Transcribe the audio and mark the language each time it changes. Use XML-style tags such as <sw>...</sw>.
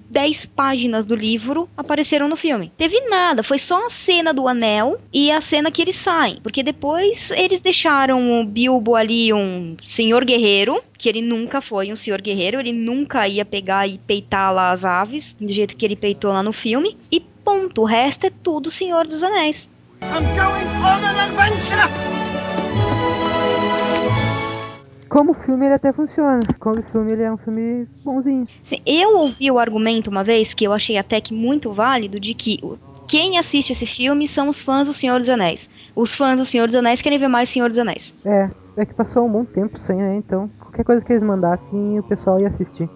<pt>10 páginas do livro apareceram no filme. Teve nada, foi só a cena do anel e a cena que eles saem. Porque depois eles deixaram o Bilbo ali um senhor guerreiro, que ele nunca foi um senhor guerreiro, ele nunca ia pegar e peitar lá as aves, do jeito que ele peitou lá no filme. E ponto, o resto é tudo Senhor dos Anéis.</pt> <en>I'm going on an adventure!</en> <pt>Como filme ele até funciona, como filme ele é um filme bonzinho. Sim, eu ouvi o argumento uma vez, que eu achei até que muito válido, de que quem assiste esse filme são os fãs do Senhor dos Anéis. Os fãs do Senhor dos Anéis querem ver mais Senhor dos Anéis. É que passou um bom tempo sem, né, então qualquer coisa que eles mandassem o pessoal ia assistir.</pt>